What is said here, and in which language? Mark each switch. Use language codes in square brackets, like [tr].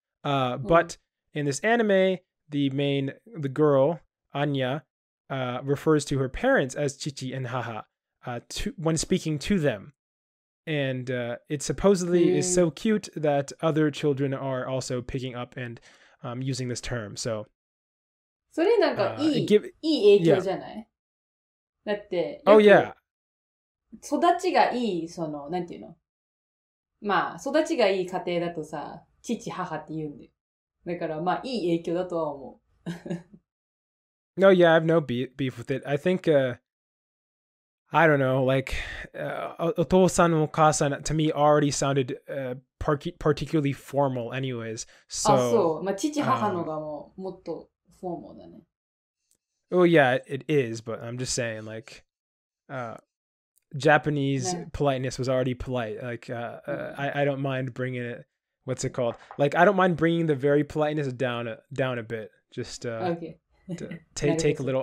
[en] But in this anime, the girl, Anya, refers to her parents as chichi and haha when speaking to them. And it supposedly is so cute that other children are also picking up and using this term. So, [ja] それなんかいい影響じゃない？ Yeah. だって、 [en] oh, yeah. [ja] 育ちがいい、その、なんていうの？まあ、育ちがいい家庭だとさ、父、母って言うんで。だから、まあ、いい影響だとは思う。 [en] No, yeah, I have no beef with it. I think, I don't know, like, お父さん、お母さん、 to me, already sounded particularly formal anyways. So, [ja] あ、そう。まあ、父、母のがもう、もっとフォーマルだね。 [en] Oh, yeah, it is, but I'm just saying, like, Japanese politeness was already polite. Like, I don't mind bringing it, what's it called? Like, I don't mind bringing the very politeness down a bit. Just take a little.